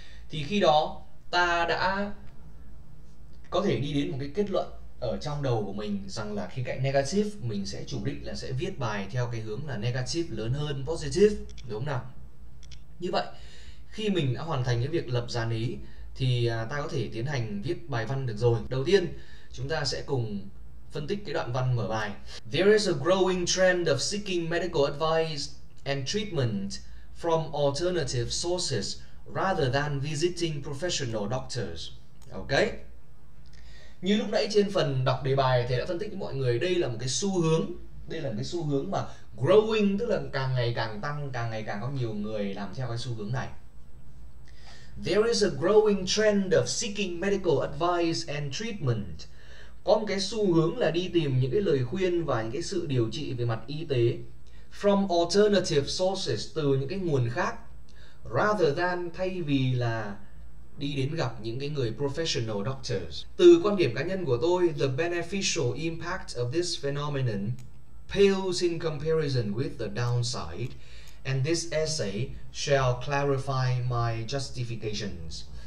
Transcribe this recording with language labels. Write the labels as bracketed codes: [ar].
[vi] Thì khi đó ta đã có thể đi đến một cái kết luận ở trong đầu của mình rằng là khía cạnh negative mình sẽ chủ định là sẽ viết bài theo cái hướng là negative lớn hơn positive đúng không nào. Như vậy khi mình đã hoàn thành cái việc lập dàn ý thì ta có thể tiến hành viết bài văn được rồi. Đầu tiên chúng ta sẽ cùng phân tích cái đoạn văn mở bài. [en] There is a growing trend of seeking medical advice and treatment from alternative sources rather than visiting professional doctors. Ok? [vi] Như lúc nãy trên phần đọc đề bài thầy đã phân tích với mọi người, đây là một cái xu hướng, đây là một cái xu hướng mà growing, tức là càng ngày càng tăng, càng ngày càng có nhiều người làm theo cái xu hướng này. [en] There is a growing trend of seeking medical advice and treatment. [vi] Có một cái xu hướng là đi tìm những cái lời khuyên và những cái sự điều trị về mặt y tế [en] from alternative sources, [vi] từ những cái nguồn khác, [en] rather than, [vi] thay vì là đi đến gặp những cái người [en] professional doctors. [vi] Từ quan điểm cá nhân của tôi, [en] the beneficial impact of this phenomenon pales in comparison with the downside, and this essay shall clarify my justifications.